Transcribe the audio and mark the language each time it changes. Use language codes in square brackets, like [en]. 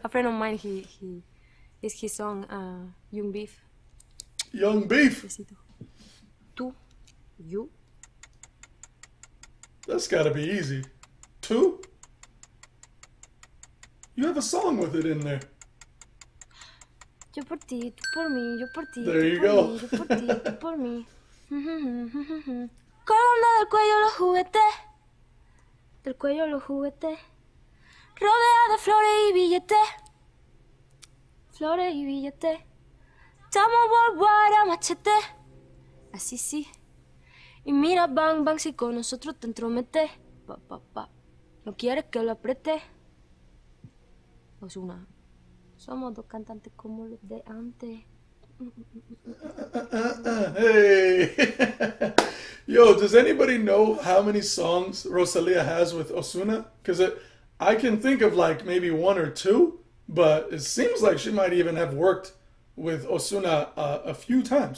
[en] A friend of mine, he is his song, Young Beef. Young Beef? [es] Tú, [en] you. That's gotta be easy. Two? You have a song with it in there. [es] Yo por ti, tú por mí, yo por ti. [en] There you go. [es] Yo por ti, tú por mí. Corona del cuello los juguetes, del cuello los juguetes, rodeada de flores y billetes, flores y billetes, estamos worldwide a machete, así sí, y mira bang bang si con nosotros te entromete, pa pa pa, no quieres que lo apriete, Ozuna, somos dos cantantes como los de antes. [en] Hey, yo, does anybody know how many songs Rosalia has with Ozuna? Because I can think of like maybe one or two, but it seems like she might even have worked with Ozuna a few times.